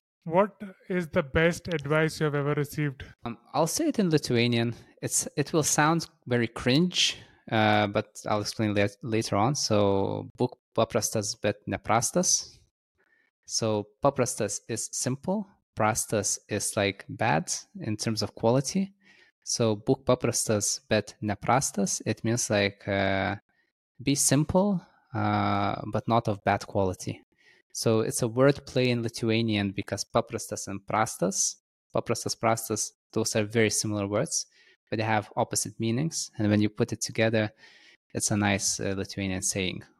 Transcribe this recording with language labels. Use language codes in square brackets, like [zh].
[en] What is the best advice you have ever received? I'll say it in Lithuanian. It will sound very cringe, but I'll explain later on. [lt] So, būk paprastas, bet neprastas. [en] So, paprastas is simple. Prastas is like bad in terms of quality. [lt] So, būk paprastas, bet neprastas. [en] It means like be simple, but not of bad quality. So it's a word play in Lithuanian, because paprastas and paprastas, prastas, those are very similar words, but they have opposite meanings. And when you put it together, it's a nice Lithuanian saying.